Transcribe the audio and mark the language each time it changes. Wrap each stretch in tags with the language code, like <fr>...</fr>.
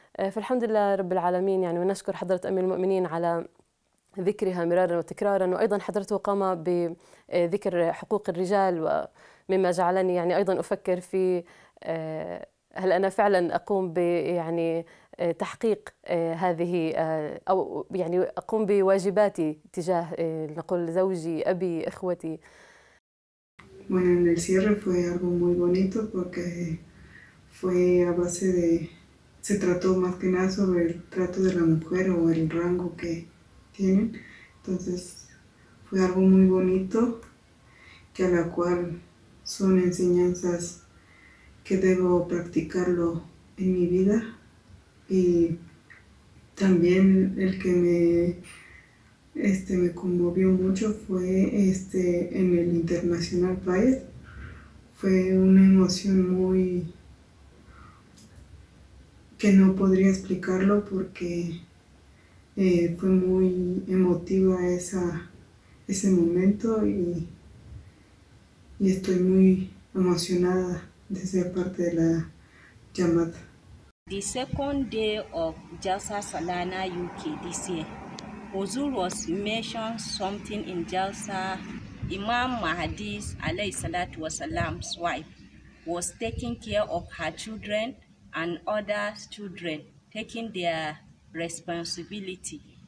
<ar>فالحمد لله رب العالمين. يعني ونشكر حضرة أمير المؤمنين على ذكرها مرارا وتكرارا، وأيضا حضرته قام بذكر حقوق الرجال، ومما جعلني يعني أيضا أفكر في هل أنا فعلا أقوم بيعني تحقيق هذه، أو يعني أقوم بواجباتي تجاه نقول زوجي أبي إخوتي.</ar> <es>Bueno, en el cierre fue algo muy bonito porque fue a base de se trató más que nada sobre el trato de la mujer o el rango que tienen. Entonces fue algo muy bonito que a la cual son enseñanzas que debo practicarlo en mi vida. Y también el que me conmovió mucho fue en el International Pride. Fue una emoción muy que no podría explicarlo porque fue muy emotiva ese momento y estoy muy emocionada de ser parte de la llamada.</es> <en>The second day of Jalsa Salana UK this year, Huzur was mentioned something in Jalsa. Imam Mahadis, alayhi salatu wasalam's wife, was taking care of her children and other children, taking their responsibility.</en>